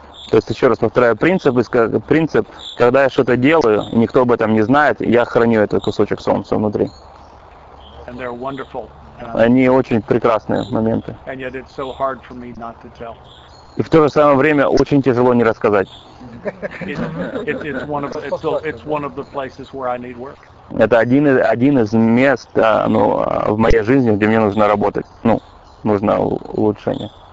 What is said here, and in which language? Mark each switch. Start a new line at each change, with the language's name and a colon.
Russian: То есть, еще раз повторяю, принцип, когда я что-то делаю, и никто об этом не знает, я храню этот кусочек солнца внутри.
English: And they're wonderful.
Russian: Они очень прекрасные моменты.
English: And yet it's so hard for me not to tell.
Russian: И в то же самое время очень тяжело не рассказать. Это один из мест в моей жизни, где мне нужно работать. Ну, нужно улучшение.